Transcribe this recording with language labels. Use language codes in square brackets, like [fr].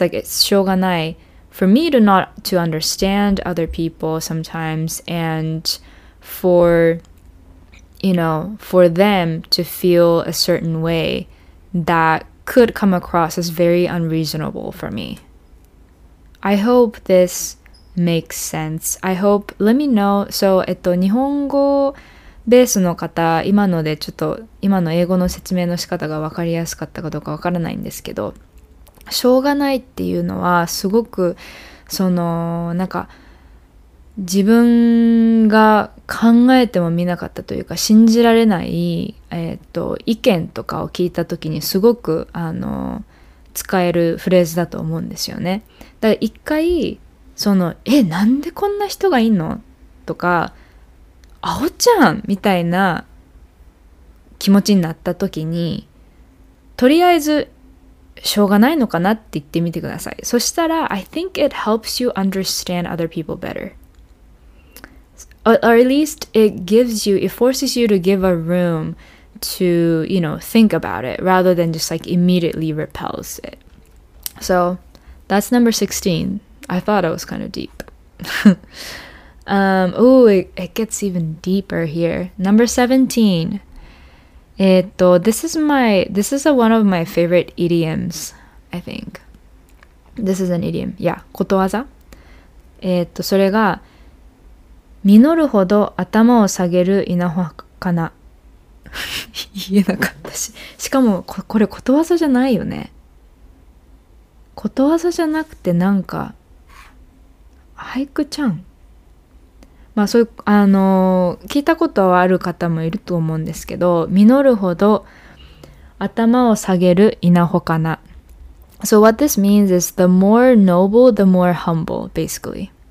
[en] Like, it's shoganai for me to not to understand other people sometimes, and for, you know, for them to feel a certain way that could come across as very unreasonable for me. I hope this makes sense. I hope, let me know. So, [ja] 日本語ベースの方、今のでちょっと今の英語の説明の仕方が分かりやすかったかどうか分からないんですけど、しょうがないっていうのはすごくそのなんか自分が考えても見なかったというか信じられない、意見とかを聞いた時にすごく使えるフレーズだと思うんですよね。だから一回そのなんでこんな人がいんのとか、アホちゃんみたいな気持ちになった時に、とりあえずしょうがないのかなって言ってみてください。そしたら、 [en] I think it helps you understand other people better. Or at least it gives you, it forces you to give a room to, you know, think about it rather than just like immediately repels it. So, that's number 16. I thought it was kind of deep. it gets even deeper here. Number 17. This is one of my favorite idioms, I think. This is an idiom. Yeah, [ja] ことわざ。それが、実るほど頭を下げる稲穂かな。言えなかったし。しかも、これことわざじゃないよね。ことわざじゃなくて、なんか、俳句ちゃん。まあ、そういう聞いたことはある方もいると思うんですけど、実るほど頭を下げる稲穂かな。 [en] So what this means is the more noble, the more humble, basically.